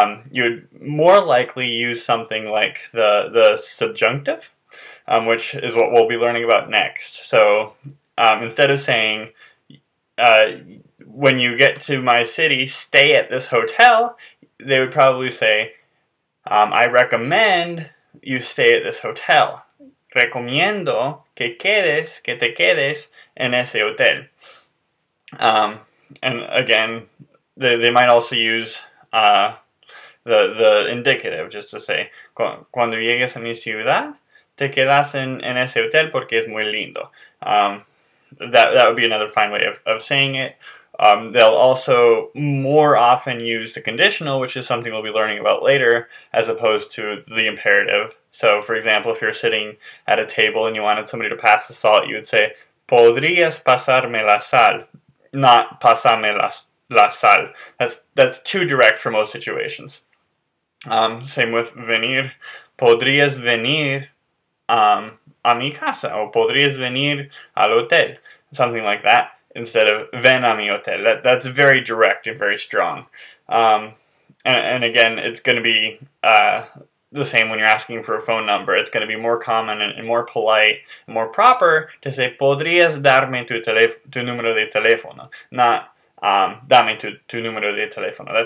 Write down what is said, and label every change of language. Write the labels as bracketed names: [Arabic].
[English] You would more likely use something like the subjunctive, which is what we'll be learning about next. So instead of saying, when you get to my city, stay at this hotel, they would probably say, I recommend you stay at this hotel. [Spanish] Recomiendo que te quedes en ese hotel. [English] And again, they might also use the indicative, just to say, [Spanish] cuando llegues a mi ciudad, te quedas en ese hotel porque es muy lindo. [English] That would be another fine way of saying it. They'll also more often use the conditional, which is something we'll be learning about later, as opposed to the imperative. So, for example, if you're sitting at a table and you wanted somebody to pass the salt, you would say, [Spanish] ¿Podrías pasarme la sal? [English] Not [Spanish] pasame la sal. [English] That's too direct for most situations. Same with venir. [Spanish] ¿Podrías venir a mi casa, o podrías venir al hotel, [English] something like that, instead of [Spanish] ven a mi hotel. [English] That's very direct and very strong. And again, it's going to be the same when you're asking for a phone number. It's going to be more common and more polite and more proper to say [Spanish] podrías darme tu número de teléfono, [English] not [Spanish] dame tu número de teléfono.